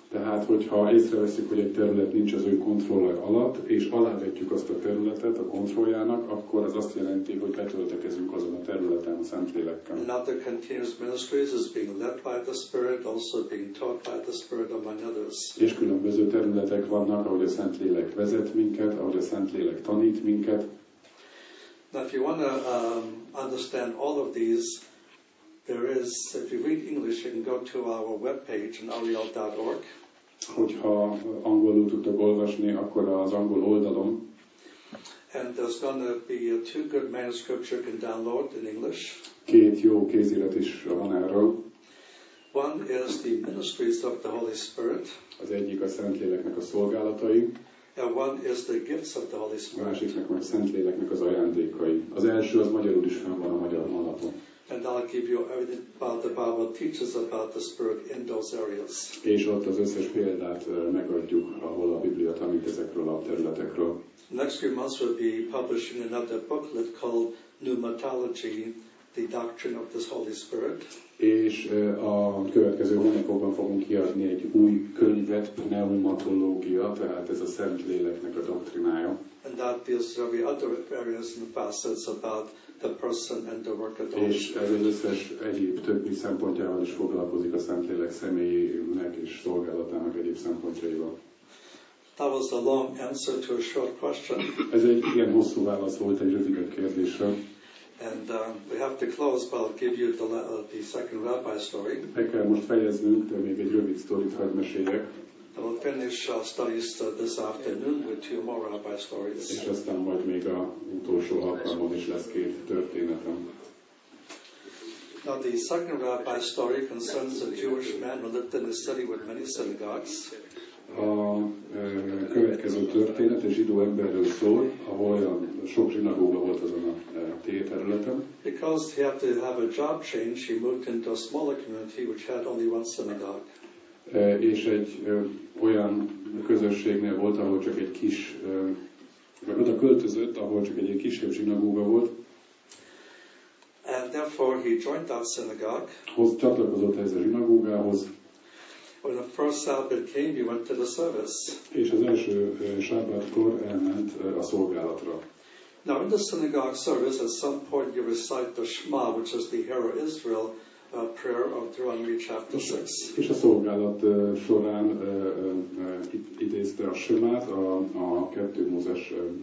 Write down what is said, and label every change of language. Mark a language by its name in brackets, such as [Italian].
[Hungarian] Tehát, hogyha észreveszünk, hogy egy terület nincs az ő kontrollja alatt, és alávetjük azt a területet a kontrolljának, akkor ez azt jelenti, hogy betöltekezünk azon a területen a Szentlélekkel. [English] Another continuous ministries is being led by the Spirit, also being taught by the Spirit among others. [Hungarian] És különböző területek vannak, ahogy a Szentlélek vezet minket, ahogy a Szentlélek tanít minket. [English] Now, if you want to understand all of these, there is, if you read English, you can go to our webpage on ariel.org. [Hungarian] Hogyha angolul tudtok olvasni, akkor az angol oldalon. [English] And there's going to be two good manuscripts you can download in English. [Hungarian] Két jó kézirat is van erről. [English] One is the Ministries of the Holy Spirit. [Hungarian] Az egyik a Szentléleknek a szolgálatai. [English] And one is the gifts of the Holy Spirit. [Hungarian] Másiknak a Szentléleknek az ajándékai. Az első az magyarul is fenn van a magyar honlapon. [English] And I'll give you everything about the Bible teaches about the Spirit in those areas. [Hungarian] És ott az összes példát megadjuk, ahol a Biblia tanít ezekről a területekről. [English] next few months we'll be publishing another booklet called Pneumatology, the Doctrine of the Holy Spirit. [Hungarian] És a következő hónapokban fogunk kiadni egy új könyvet, Pneumatológia, tehát ez a Szentléleknek a doktrinája. [English] And that deals with other areas and facets about the person and the work of the Holy [Hungarian] Spirit. És ez összes egyéb többi szempontjával is foglalkozik a Szentlélek személyének és szolgálatának egyéb szempontjaival. [English] That was a long answer to a short question. [Hungarian] Ez egy igen hosszú válasz volt egy rövidebb kérdésre. [English] And we have to close, but I'll give you the second rabbi story. [Hungarian] Meg kell most fejeznünk, de még egy rövid sztorit hadd meséljek. [English] We'll finish our studies this afternoon with two more rabbi stories. [Hungarian] És aztán majd még a utolsó alkalmon is lesz két történetem. [English] Now the second rabbi story concerns a Jewish man who lived in a city with many synagogues. [Hungarian] A következő történet egy zsidó emberről szól, ahol olyan sok zsinagóga volt azon a területen. [English] Because he had to have a job change, he moved into a smaller community which had only one synagogue. [Hungarian] És egy olyan közösségnél volt, ahol csak egy kis, vagy oda költözött, ahol csak egy kisebb zsinagóga volt. [English] And therefore he joined that synagogue. [Hungarian] Csatlakozott ez a zsinagógához. [English] When the first Sabbath came, he went to the service. [Hungarian] És az első Sabbatkor elment a szolgálatra. [English] Now in the synagogue service, at some point you recite the Shema, which is the Hero Israel prayer of Deuteronomy chapter 6. [Hungarian] És a szolgálat során idézte a Shemát, a kettő Mózes.